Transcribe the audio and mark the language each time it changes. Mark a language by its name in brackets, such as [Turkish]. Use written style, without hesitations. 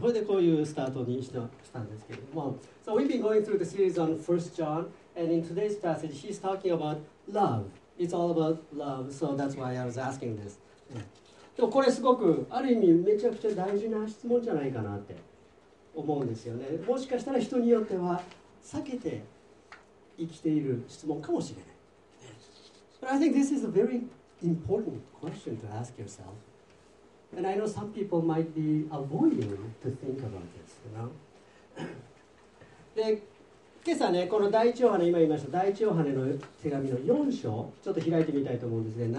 [Japanese] これでこういうスタートにしたんですけれども、 [English] So we've been going through the series on 1 John, and in today's passage, he's talking about love. It's all about love, so that's why I was asking this.、 [Japanese] ね、でもこれすごく、ある意味めちゃくちゃ大事な質問じゃないかなって思うんですよね。もしかしたら人によっては避けて生きている質問かもしれない。 [English] But I think this is a very important question to ask yourself. And I know some people might be avoiding to think about this, you know? [Japanese] で、今朝ね、この第一ヨハネ、今言いました第一ヨハネの手紙の4章、ちょっと開いてみたいと思うんですね。